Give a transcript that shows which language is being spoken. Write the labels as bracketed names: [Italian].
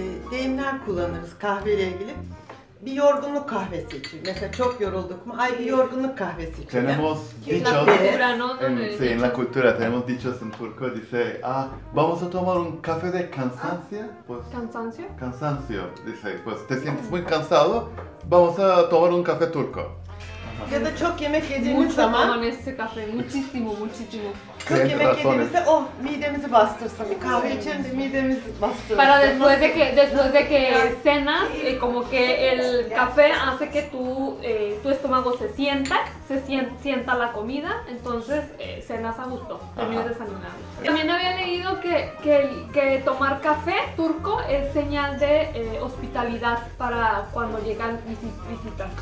[Turkish] deyimler kullanıyoruz. Mesela bu kahve güzel ilgili. Bir yorgunluk kahvesi için. Mesela çok yorulduk mu? Ay bir yorgunluk kahvesi için. [Spanish] Tenemos dichos en la cultura, tenemos dichos en turco, dice, ah, vamos a tomar un café de cansancio. Pues, ¿cansancio? Cansancio, dice, pues te sientes muy cansado, vamos a tomar un café turco. [Turkish] Ya da çok yemek yediğimiz zaman. [Spanish] Mucho tomamos este café, muchísimo. [Turkish] Çok yemek yediğimizde midemizi bastırsın. Bir kahve içelim de midemizi bastırsın. [Spanish] Para después de que cenas, como que el café hace que tu estómago se sienta la comida, entonces cenas a gusto, terminas desayunando. También había leído que tomar café turco es señal de hospitalidad para cuando llegan visitas.